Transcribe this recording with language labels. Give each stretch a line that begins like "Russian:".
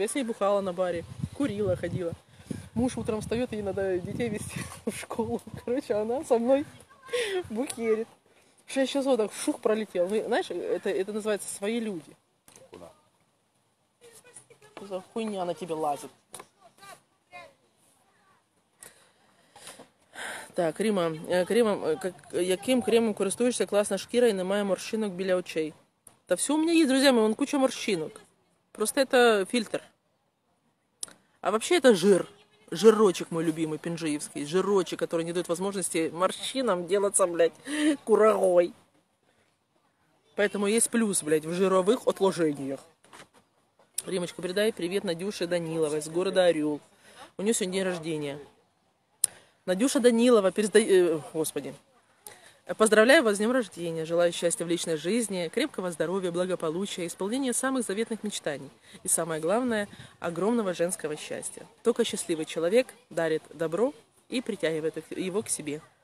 Russian: Я с ней бухала на баре, курила, ходила. Муж утром встает, ей надо детей везти в школу. Короче, она со мной бухерит. 6 часов так шух пролетел. Ну, знаешь, это называется «Свои люди». Что за хуйня на тебе лазит?
Ukrainian: Так, Рима, кремом, яким кремом користуєшся? Класна шкіра і немає морщинок біля очей. Та все у мене є, друзі, вон куча морщинок. Просто це фільтр. А взагалі це жир.
Russian: Жирочек мой любимый,
Ukrainian: пінжиївський. Жирочек, який не дає можливості морщинам ділатися, блядь, курагой. Поэтому є плюс, блядь, в жирових отложеннях. Римочка, передай привіт Надюше Даниловой з міста Орел. У нього сьогодні день рождения.
Russian: Надюша Данилова, Господи, поздравляю вас с днем рождения, желаю счастья в личной жизни, крепкого здоровья, благополучия, исполнения самых заветных мечтаний и, самое главное, огромного женского счастья. Только счастливый человек дарит добро и притягивает его к себе.